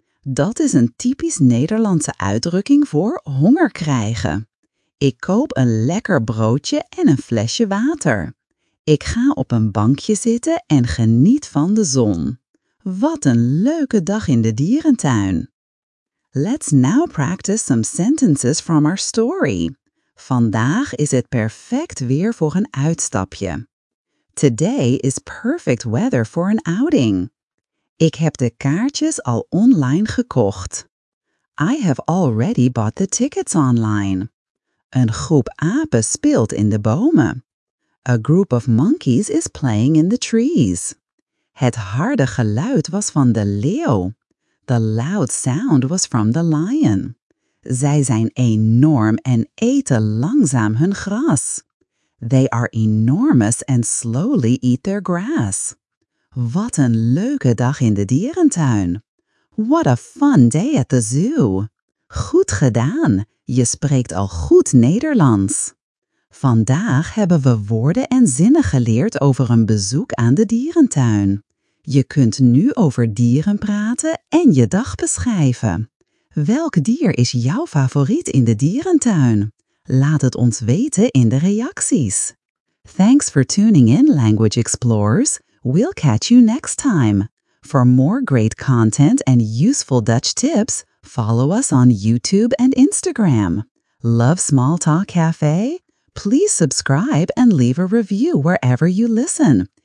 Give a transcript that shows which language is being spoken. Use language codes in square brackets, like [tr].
[nl] Dat is een typisch Nederlandse uitdrukking voor honger krijgen. Ik koop een lekker broodje en een flesje water. Ik ga op een bankje zitten en geniet van de zon. Wat een leuke dag in de dierentuin! [en] Let's now practice some sentences from our story. [nl] Vandaag is het perfect weer voor een uitstapje. [en] Today is perfect weather for an outing. [nl] Ik heb de kaartjes al online gekocht. [en] I have already bought the tickets online. [nl] Een groep apen speelt in de bomen. [en] A group of monkeys is playing in the trees. [nl] Het harde geluid was van de leeuw. [en] The loud sound was from the lion. [nl] Zij zijn enorm en eten langzaam hun gras. [en] They are enormous and slowly eat their grass. [nl] Wat een leuke dag in de dierentuin. [en] What a fun day at the zoo. [nl] Goed gedaan. Je spreekt al goed Nederlands. Vandaag hebben we woorden en zinnen geleerd over een bezoek aan de dierentuin. Je kunt nu over dieren praten en je dag beschrijven. Welk dier is jouw favoriet in de dierentuin? Laat het ons weten in de reacties. [en] Thanks for tuning in, Language Explorers. We'll catch you next time. For more great content and useful Dutch tips, follow us on YouTube and Instagram. Love Small Talk Cafe? Please subscribe and leave a review wherever you listen.